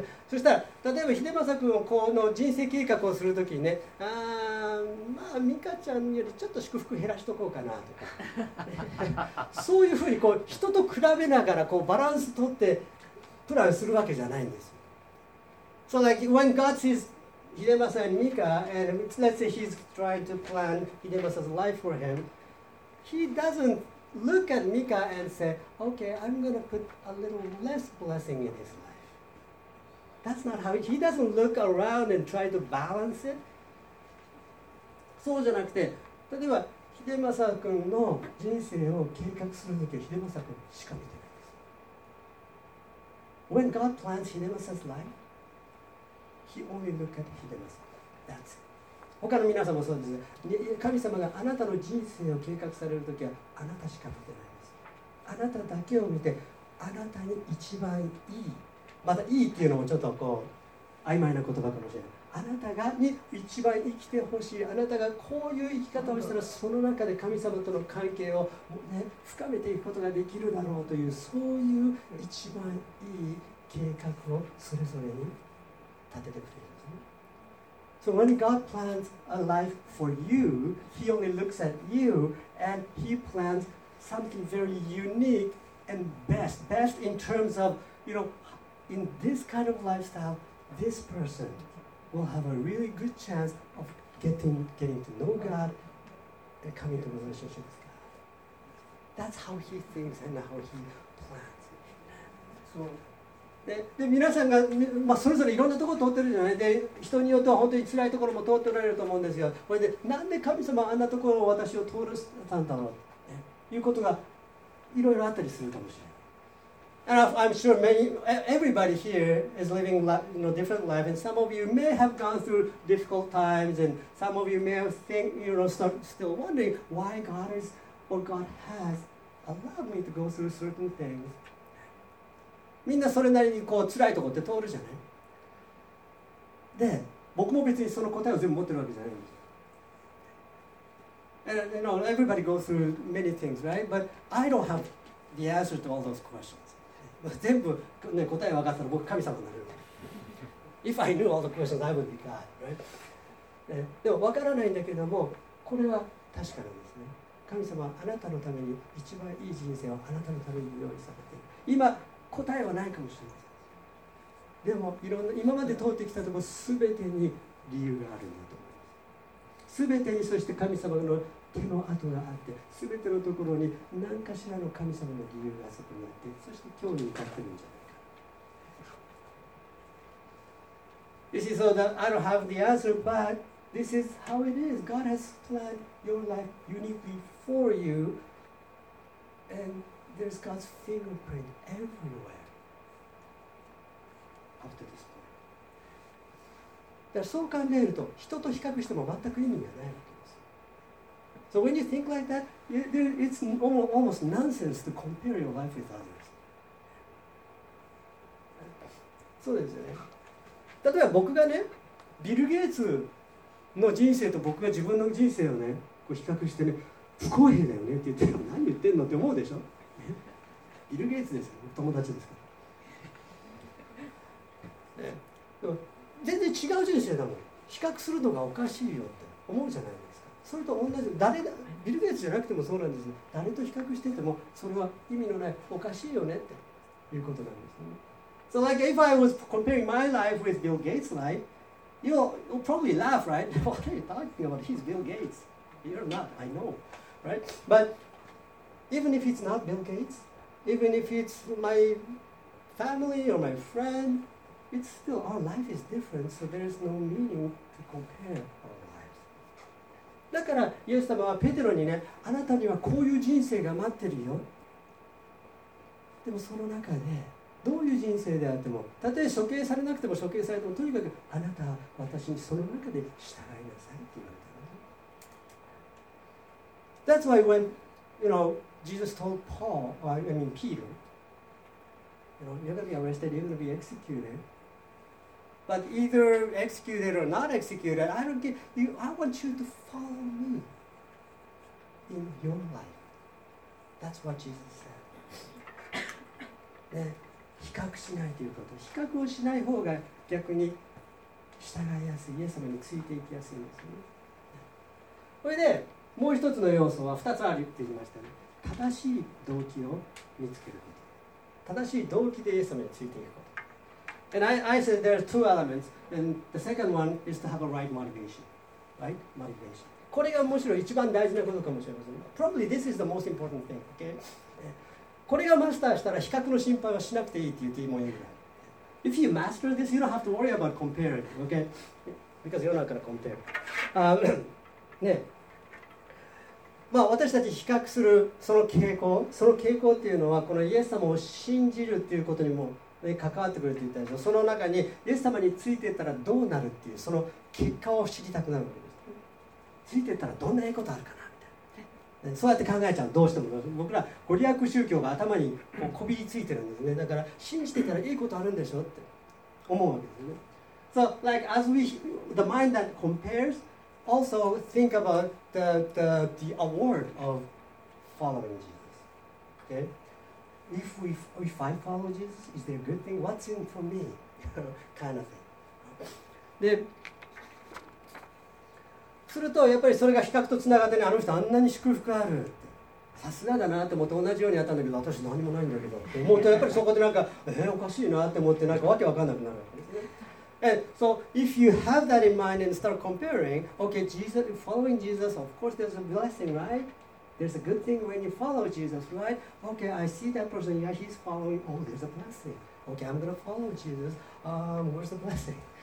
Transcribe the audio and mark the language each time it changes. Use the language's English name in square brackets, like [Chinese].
[Japanese] そしたら例えば秀政くんをこの人生計画をするときにね、あ、まあ美香ちゃんよりちょっと祝福減らしとこうかなとか、そういうふうにこう人と比べながらこうバランス取ってプランするわけじゃないんです。 [English] So like when God sees Hidemasa and Mika, and let's say He's trying to plan Hidemasa's life for him, He doesn't look at Mika and say, "Okay, I'm gonna put a little less blessing in his life." That's not how He doesn't look around and try to balance it. [Japanese] そうじゃなくて、例えば秀政君の人生を計画するときは秀政君しか見てないです。 [English] When God plans 秀政's life, He only looks at 秀政。 That's it. [Japanese] 他の皆さんもそうです。神様があなたの人生を計画されるときはあなたしか見てないです。あなただけを見て、あなたに一番いい、またいいっていうのもちょっとこう曖昧な言葉かもしれない。あなたがに一番生きてほしい、あなたがこういう生き方をしたらその中で神様との関係を、ね、深めていくことができるだろうという、そういう一番いい計画をそれぞれに立ててくれるんですね。 [English] So when God plans a life for you, He only looks at you and He plans something very unique and best. Best in terms of, you know, in this kind of lifestyle, this person we'll have a really good chance of getting to know God and coming to a relationship with God. That's how he thinks and how he plans. [Japanese] So, で皆さんが、まあ、それぞれいろんなところを通ってるじゃない。で人によっては本当に辛いところも通っておられると思うんですが、これでなんで神様はあんなところを私を通るたんだろうということがいろいろあったりするかもしれない。 [English] And I'm sure many, everybody here is living a you know, different life, and some of you may have gone through difficult times, and some of you may have think, you know, still wondering why God is or God has allowed me to go through certain things. [Japanese] みんなそれなりにこう辛いところって通るじゃない。で、僕も別にその答えを全部持ってるわけじゃないんです。 [English] And you know, everybody goes through many things, right? But I don't have the answer to all those questions. [Japanese] 全部、ね、答え分かったら僕神様になる。 [English] If I knew all the questions, I would be God, right? [Japanese] でも分からないんだけども、これは確かなんですね。神様はあなたのために一番いい人生をあなたのために用意されている。今答えはないかもしれません。でもいろんな今まで通ってきたところ全てに理由があるんだと思います。全てにそして神様の手の跡があって、全てのところに何かしらの神様の理由がそこにあって、そして今日に至ってるんじゃないか。 [English] You see, so that I don't have the answer, but this is how it is. God has planned your life uniquely for you, andThere's God's fingerprint everywhere after this point. [Japanese] だからそう考えると、人と比較しても全く意味がないわけです。 [English] So when you think like that, it's almost nonsense to compare your life with others. [Japanese] そうですよね。例えば僕がね、ビル・ゲイツの人生と僕が自分の人生をね、こう比較してね、不公平だよねって言って、何言ってんのって思うでしょ。ビル・ゲイツですよ、友達ですから、ね、でも全然違う人生だもん、比較するのがおかしいよって思うじゃないですか。それと同じ、誰がビル・ゲイツじゃなくてもそうなんですよ。誰と比較しててもそれは意味のない、おかしいよねっていうことなんですね。 [English] So like if I was comparing my life with Bill Gates' life, you'll probably laugh, right? What are you talking about? He's Bill Gates. You're not, I know, right? But even if it's not Bill Gates,Even if it's my family or my friend, it's still our life is different, so there is no meaning to compare our lives. [Japanese] だからイエス様はペテロにね、あなたにはこういう人生が待ってるよ。でもその中でどういう人生であっても、たとえ処刑されなくても処刑されても、とにかくあなたは私にその中で従いなさいって言われたの。 [English] That's why when, you know,Jesus told Paul, or I mean Peter, you know, you're going to be arrested, you're going to be executed. But either executed or not executed, I don't care. I want you to follow me in your life. That's what Jesus said. [Japanese] 比較しないということ。比較をしない方が逆に従いやすい、イエス様についていきやすいんですね。それで、もう一つの要素は二つあるって言いましたね。正しい動機を見つけること。正しい動機でイエス様についていくこと。 [English] And I said there are two elements, and the second one is to have a right motivation. Right? Motivation. [Japanese] これがむしろ一番大事なことかもしれません。 [English] Probably this is the most important thing, okay? [Japanese] これがマスターしたら比較の心配はしなくていいって言ってもいいぐらい。 [English] If you master this, you don't have to worry about comparing, okay? Because you're not going to compare. ね。 [Japanese] まあ、私たち比較するその傾向っていうのはこのイエス様を信じるっていうことにも、ね、関わってくると言ったでしょ。その中にイエス様についていったらどうなるっていうその結果を知りたくなるわけです。ついていったらどんないいことあるかなみたいな、ね、そうやって考えちゃう。どうしても僕らご利益宗教が頭にこうこびりついてるんですね。だから信じていたらいいことあるんでしょって思うわけですね。 [English] So like as we the mind that comparesAlso, think about the award of following Jesus. Okay, if I follow Jesus, is there a good thing? What's in for me? kind of thing. [Japanese] で、するとやっぱりそれが比較とつながってね、あの人あんなに祝福あるって、さすがだなって思って同じようにやったんだけど、私何もないんだけど、もうやっぱりそこでなんかおかしいなって思ってなんかわけわかんなくなる。 [English] And so if you have that in mind and start comparing, okay, Jesus, following Jesus, of course there's a blessing, right? There's a good thing when you follow Jesus, right? Okay, I see that person, yeah, he's following, oh, there's a blessing. Okay, I'm gonna follow Jesus, where's the blessing?